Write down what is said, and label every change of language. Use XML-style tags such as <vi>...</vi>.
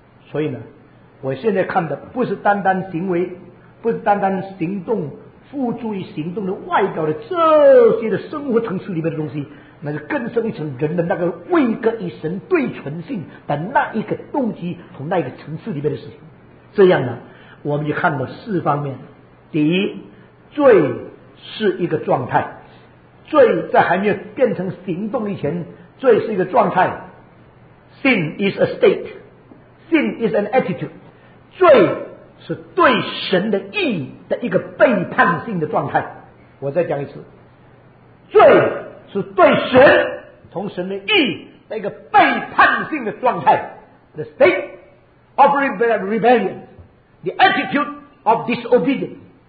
<zh>所以呢，我现在看的不是单单行为，不是单单行动，付诸于行动的外表的这些的生活层次里面的东西，那是更深一层人的那个位格与神对存性的那一个动机，从那一个层次里面的事情。这样呢，我们就看到四方面。第一，罪是一个状态，罪在还没有变成行动以前，罪是一个状态。</zh> <en>Sin is a state, Sin is an attitude。</en> <zh>罪是对神的义的一个背叛性的状态。我再讲一次，罪是对神从神的义的一个背叛性的状态。</zh> <en>The state of rebellion, The attitude of disobedience。</en>